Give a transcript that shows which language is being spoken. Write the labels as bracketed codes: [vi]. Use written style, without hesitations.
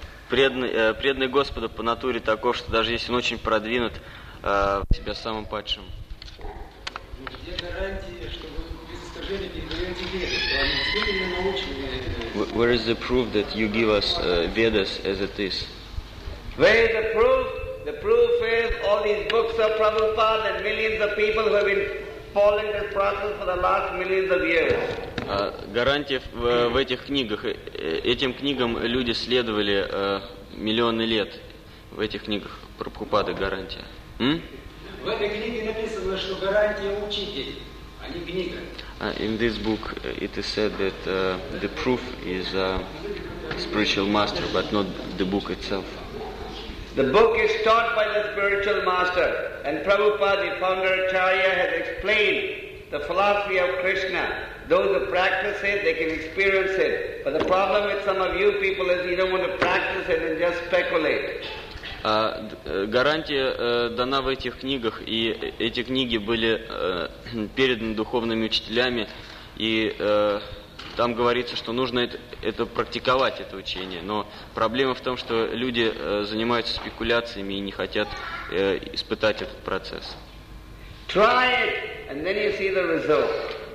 [ru] Преданный Господу по натуре таков, что даже если он очень продвинут, себя самым падшим. Где гарантия, что вы без искажения не даете веды, что они действительно научены? [en] Where is the proof that you give us Vedas as it is? Where is the proof? The proof is all these books of Prabhupada and millions of people who have been following this process for the last millions of years. [ru] Гарантия в этих книгах. Этим книгам люди следовали миллионы лет. В этих книгах Прабхупады гарантия. В этой книге написано, что гарантия учитель, а не книга. [en] In this book it is said that the proof is a spiritual master, but not the book itself. The book is taught by the spiritual master, and Prabhupada, the founder Acharya, has explained the philosophy of Krishna. Those who practice it, they can experience it. But the problem with some of you people is you don't want to practice it and just speculate. [ru] Гарантия дана в этих книгах, и эти книги были переданы духовными учителями, и там говорится, что нужно это практиковать, это учение. Но проблема в том, что люди занимаются спекуляциями и не хотят испытать этот процесс. [en] Try it, and then you see the result.